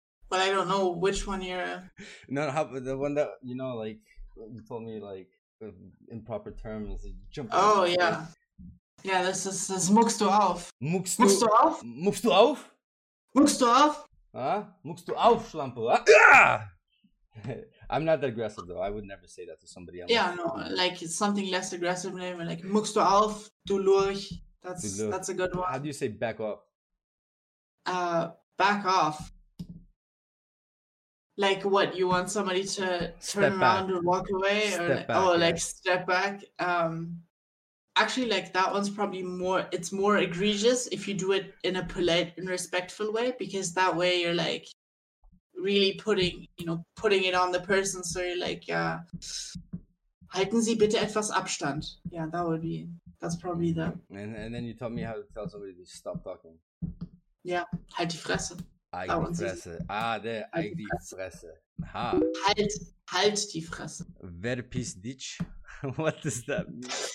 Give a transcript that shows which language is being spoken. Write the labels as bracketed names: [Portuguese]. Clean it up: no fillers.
[English] But I don't know which one you're. No, the one that, you know, like, you told me, like, improper terms. Jump. Oh, out. Yeah. Yeah, this is [German] Muckst du auf. Muckst du auf? Muckst du auf? Muckst du auf? Huh? Muckst du auf, Schlampe? Ah! [English] I'm not that aggressive, though. I would never say that to somebody else. Yeah, no, like something less aggressive, maybe. Like, [German] Muckst du auf, du lurch. [English] That's a good one. How do you say back off? Back off. Like, what? You want somebody to turn step around back. And walk away? Step or, back, oh, yeah. Like, step back. Actually, like, that one's probably more, it's more egregious if you do it in a polite and respectful way, because that way you're, like, really putting it on the person. So you're like, [German] halten Sie bitte etwas Abstand. [English] Yeah, that would be, that's probably the. And then you tell me how to tell somebody to stop talking. Yeah, [German] halt die Fresse. Halt die Fresse. Ha. Halt die Fresse. Verpiss dich. [English] What does that mean?